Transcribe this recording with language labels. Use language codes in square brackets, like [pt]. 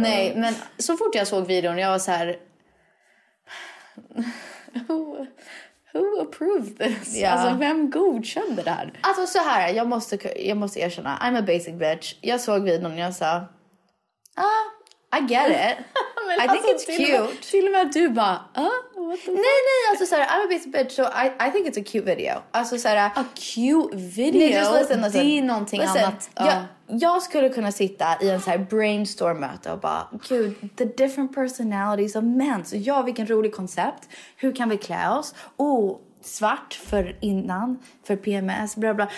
[sv] Nej, men så fort jag såg videon, jag var så här, [en] who approved this? Yeah. [sv] Alltså, vem godkände det här? Alltså, så här, jag måste erkänna, [en] I'm a basic bitch. [sv] Jag såg videon och jag sa, [en] I get it. I think alltså, it's cute. [sv] Till och med du bara, [en] what the fuck? [sv] Nej, alltså så här, [en] I'm a basic bitch, so I think it's a cute video. [sv] Alltså så här, [en] a cute video? Nej, just listen. [sv] Det är någonting listen, annat. Jag skulle kunna sitta i en så här brainstorm-möte och bara, gud, [en] the different personalities of men. [sv] Så ja, vilken rolig koncept. Hur kan vi klä oss? Oh, svart för innan, för PMS, bla bla.